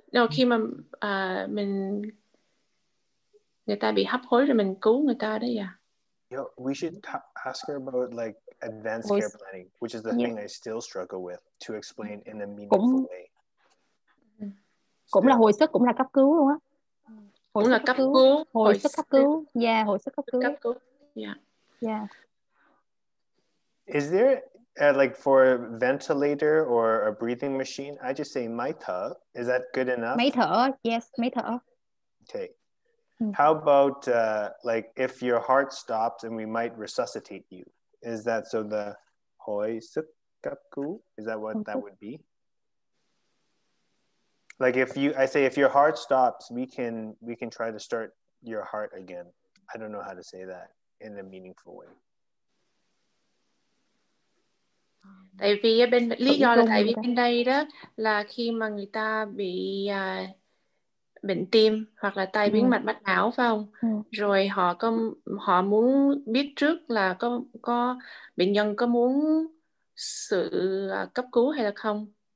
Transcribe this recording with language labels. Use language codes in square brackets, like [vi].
[vi] Khi mà mình người ta bị hấp hối rồi mình cứu người ta đấy, [en] we should ask her about like advanced care planning, which is the thing I still struggle with to explain in a meaningful way. [vi] Cũng là hồi sức, cũng là cấp cứu luôn á. Cũng là cấp cứu. Hồi sức cấp cứu. Yeah, hồi sức cấp cứu. Cấp cứu. Yeah. [en] Is there, like, for a ventilator or a breathing machine, I just say máy thở. Is that good enough? [vi] Máy thở. Yes, máy thở. [en] Okay. How about, like, if your heart stops and we might resuscitate you? Is that so the hồi sức cấp cứu? Is that what that would be? Like if you, I say, if your heart stops, we can try to start your heart again. I don't know how to say that in a meaningful way. [vi] Tại vì bên lý do là tại vì bên đây đó là khi mà người ta bị bệnh tim hoặc là tai biến mạch mạch não phải không? Rồi họ muốn biết trước là có bệnh nhân có muốn sự cấp cứu hay là không.